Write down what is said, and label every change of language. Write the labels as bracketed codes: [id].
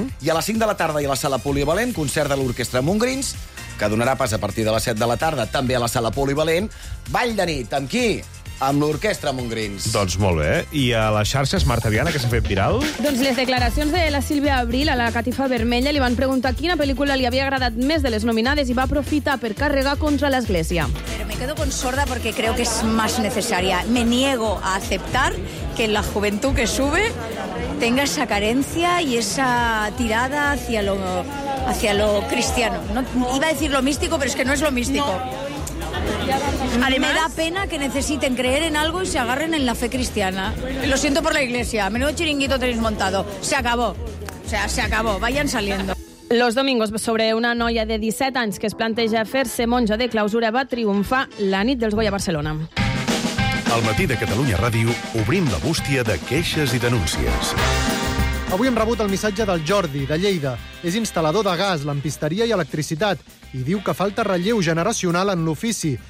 [ca] I a les 5 de la tarda i a la sala Polivalent, concert de l'orquestra Mungrins, que donarà pas a partir de les 7 de la tarda, també a la sala Polivalent. Ball de nit, amb qui? Amb l'orquestra Mungrins. Doncs molt bé. I a les xarxes, Marta Viana, que s'ha fet viral? Doncs les declaracions de la Sílvia Abril a la Catifa Vermella li van preguntar quina pel·lícula li havia agradat més de les nominades i va aprofitar per carregar contra l'Església. [es] Pero me quedo con Sorda porque creo que es más necesaria. Me niego a aceptar que la juventud que sube tenga esa carencia y esa tirada hacia lo cristiano. No, iba a decir lo místico, pero es que no es lo místico. No. Además, me da pena que necesiten creer en algo y se agarren en la fe cristiana. Lo siento por la iglesia, menudo chiringuito tenéis montado. Se acabó, o sea, se acabó, vayan saliendo. [ca] Los domingos, sobre una noia de 17 anys que es planteja fer-se monja de clausura, va triomfar la nit dels Goya Barcelona. Al matí de Catalunya Ràdio obrim la bústia de queixes i denúncies. Avui hem rebut el missatge del Jordi, de Lleida. És instal·lador de gas, lampisteria i electricitat i diu que falta relleu generacional en l'ofici.